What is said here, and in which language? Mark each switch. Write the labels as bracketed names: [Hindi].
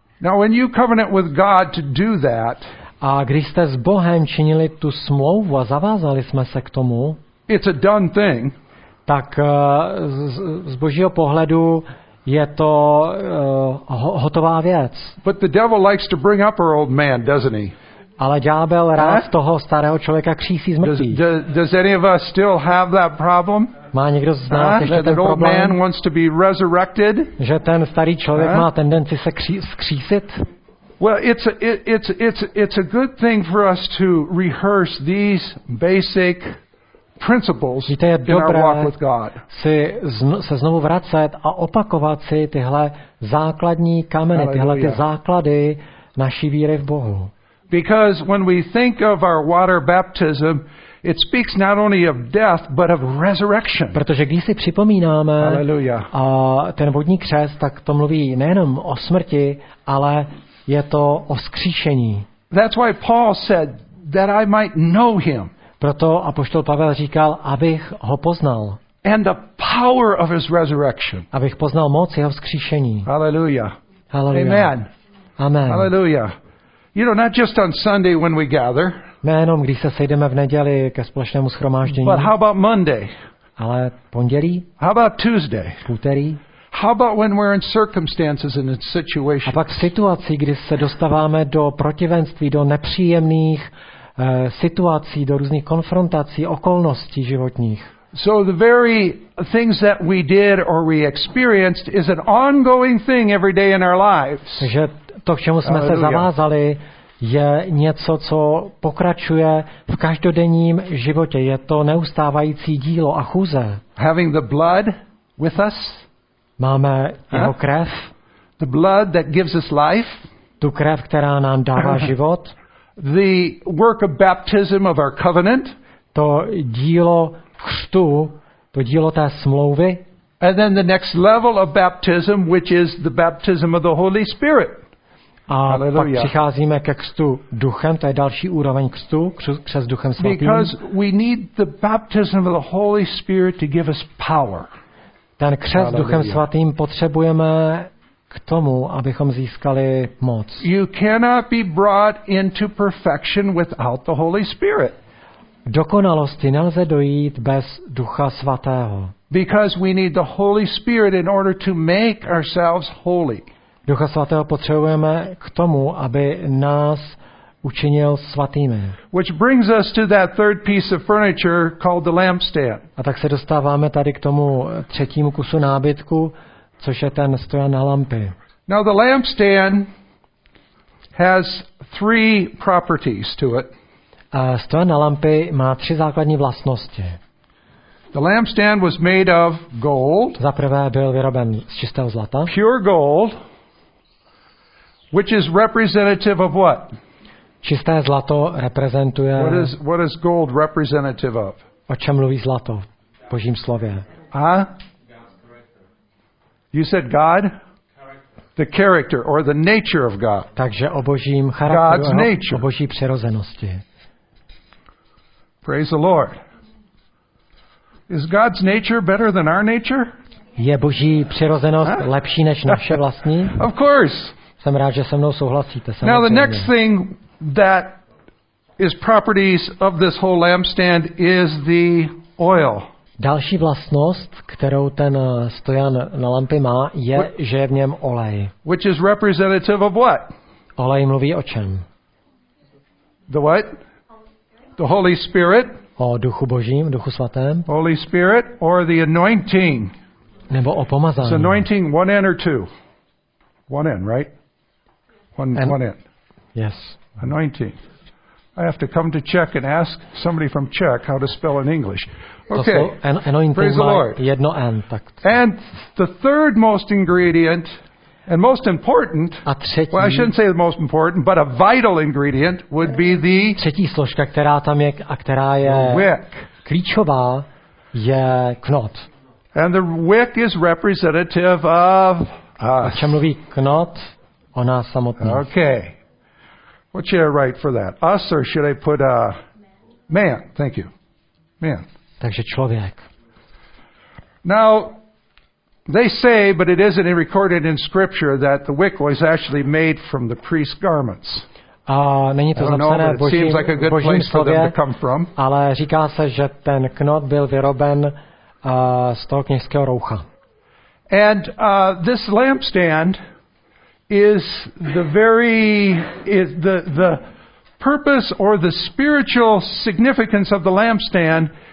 [English] Now when you covenant with God to do that, [Czech] a když jste s Bohem činili tu smlouvu a zavázali jsme se k tomu, [English] it's a done thing. [Czech] Tak z Božího pohledu je to hotová věc. [English] But the devil likes to bring up our old man, doesn't he? [Czech] Ale ďábel rád toho starého člověka křísí z mrtvých. [English] Does any of us still have that problem? [Czech] Má někdo z nás ještě ten problém? [English] Old man wants to be resurrected? [Czech] Že ten starý člověk má tendenci se skřísit? [English] Well, it's a good thing for us to rehearse these basic principles. [Czech] Víte, je dobré [English] in our walk with God. [Czech] Si se znovu vracet a opakovat si tyhle základní kameny, tyhle ty základy naší víry v Bohu. [English] Because when we think of our water baptism, it speaks not only of death, but of resurrection. [Czech] Protože když si připomínáme a ten vodní křest, tak to mluví nejenom o smrti, ale je to o vzkříšení. [English] That's why Paul said that I might know him. [Czech] Proto apoštol Pavel říkal, abych ho poznal. [English] And the power of his resurrection. [Czech] Abych poznal moc jeho vzkříšení. [English] Hallelujah. Hallelujah. Amen. Amen. Hallelujah. You know, not just on Sunday when we gather. [Czech] Nejenom když se sejdeme v neděli ke společnému shromáždění. [English] But how about Monday? [Czech] Ale pondělí? [English] How about Tuesday? [Czech] Úterý? [English] How about when we're in circumstances and in situations? [Czech] A pak v situaci, kdy se dostáváme do protivenství, do nepříjemných situací, do různých konfrontací, okolností životních. [English] So the very things that we did or we experienced is an ongoing thing every day in our lives. [Czech] Takže to, k čemu jsme se zavázali, je něco, co pokračuje v každodenním životě. Je to neustávající dílo a chůze. [English] Having the blood with us. [Czech] Máme jeho krev. [English] The blood that gives us life. [Czech] Tu krev, která nám dává život. [English] The work of baptism of our covenant. [Czech] To dílo křtu, to dílo té smlouvy. [English] And then the next level of baptism, which is the baptism of the Holy Spirit. [Czech] A Alleluia. Pak přicházíme ke křtu duchem, to je další úroveň křtu, křes duchem svatým. [English] Because we need the baptism of the Holy Spirit to give us power. [Czech] Ten křes duchem svatým potřebujeme k tomu, abychom získali moc. [English] You cannot be brought into perfection without the Holy Spirit. [Czech] Dokonalosti nelze dojít bez Ducha svatého. [English] Because we need the Holy Spirit in order to make ourselves holy. [Czech] Ducha svatého potřebujeme k tomu, aby nás učinil svatými. [English] Which brings us to that third piece of furniture called the lampstand. [Czech] A tak se dostáváme tady k tomu třetímu kusu nábytku, což je ten stojan na lampy. [English] Now the lampstand has three properties to it. [Czech] A stojan na lampy má tři základní vlastnosti. [English] The lampstand was made of gold. [Czech] Za prvé byl vyroben z čistého zlata. [English] Pure gold, which is representative of what? [Czech] Čisté zlato reprezentuje. [English] What is gold representative of? [Czech] O čem mluví zlato v Božím slově? A? Huh? [English] You said God? The character or the nature of God. Takže o Božím charakteru. God's nature. O Boží přirozenosti. Praise the Lord. Is God's nature better than our nature? [Czech] Je Boží přirozenost lepší než naše vlastní? [English] Of course. [Czech] Jsem rád, že se mnou souhlasíte. [English] Now the next thing that is properties of this whole lampstand is the oil. [Czech] Další vlastnost, kterou ten stojan na lampy má, je, že je v něm olej. [English] Which is representative of what? [Czech] Olej mluví o čem? [English] The what? The Holy Spirit. [Czech] O Duchu Božím, Duchu svatém. [English] Holy Spirit or the anointing. [Czech] Nebo o pomazání. [English] It's anointing one end or two? One end, right? One end. Yes. Anointing. I have to come to Czech and ask somebody from Czech how to spell in English. Okay. Praise the Lord. [Czech] Jedno N, tak. [English] And the third most ingredient and most important, [Czech] a třetí, [English] well, I shouldn't say the most important, but a vital ingredient would be the [Czech] třetí složka, která tam je a která je [English] wick. [Czech] Klíčová je knot. [English] And the wick is representative of us. [Czech] O čem mluví knot? O nás samotných. [English] Okay. What should I write for that? Us or should I put a man? Thank you. Man. [Czech] Takže člověk. [English] Now, they say, but it isn't recorded in Scripture, that the wick was actually made from the priest's garments. [Czech] A není to zapsané v Božím slově, [English] for them to come from. [Czech] Ale říká se, že ten knot byl vyroben z toho kněžského roucha. [English] And this lampstand is the very is the purpose or the spiritual significance of the lampstand.